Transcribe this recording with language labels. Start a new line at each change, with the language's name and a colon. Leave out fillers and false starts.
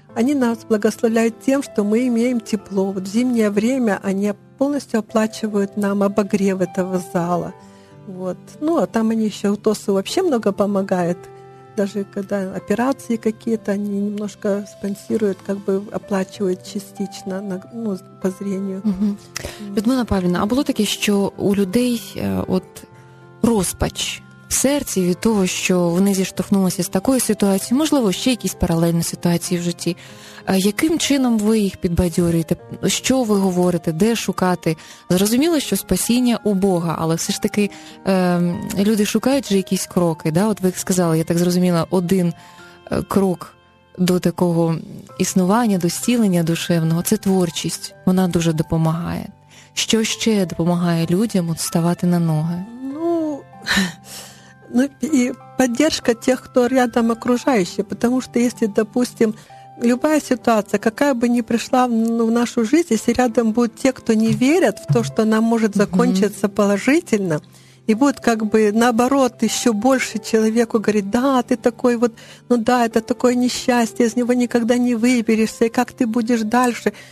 Russian: Они нас благословляют тем, что мы имеем тепло. Вот в зимнее время они полностью оплачивают нам обогрев этого зала. Вот. Ну, а там они еще УТОСу вообще много помогают. Даже когда операции какие-то, они немножко спонсируют, как бы оплачивают частично, ну, по зрению. Угу.
Ukrainian: Людмила Павлівна, а було таке, що у людей от розпач в серці від того, що вони зіштовхнулися з такою ситуацією, можливо, ще якісь паралельні ситуації в житті. Яким чином ви їх підбадьорюєте? Що ви говорите? Де шукати? Зрозуміло, що спасіння у Бога, але все ж таки люди шукають же якісь кроки. Да? От ви сказали, я так зрозуміла, один крок до такого існування, до зцілення душевного – це творчість. Вона дуже допомагає. Що ще допомагає людям от ставати на ноги?
Russian: Ну, и поддержка тех, кто рядом, окружающие. Потому что если, допустим, любая ситуация, какая бы ни пришла в нашу жизнь, если рядом будут те, кто не верят в то, что она может закончиться положительно, и будет как бы наоборот еще больше человеку говорить: «Да, ты такой вот, ну да, это такое несчастье, из него никогда не выберешься, и как ты будешь дальше?»